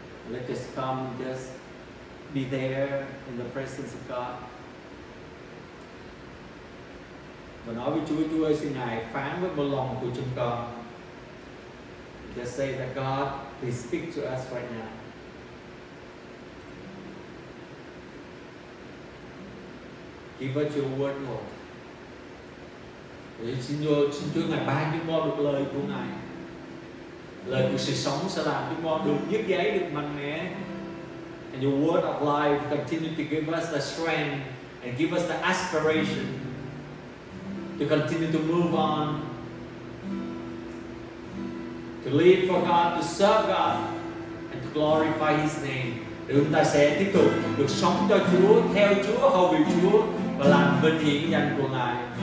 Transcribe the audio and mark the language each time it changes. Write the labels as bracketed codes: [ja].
[en] Let us come, just be there in the presence of God. [vi] Và nói với Chúa, Chúa ơi, xin Ngài phán với bao lòng của chúng con. [en] Just say that God, please speak to us right now. Give us your word, Lord. [vi] Để xin Chúa Ngài ban chúng con được lời của Ngài. Lời của sự sống sẽ làm chúng con được nhức giấy, được mạnh mẽ. [en] And your word of life continue to give us the strength and give us the aspiration to continue to move on, to live for God, to serve God and to glorify His name. [vi] Để chúng ta sẽ tiếp tục được sống cho Chúa, theo Chúa, hầu việc Chúa và làm vinh hiển danh của Ngài.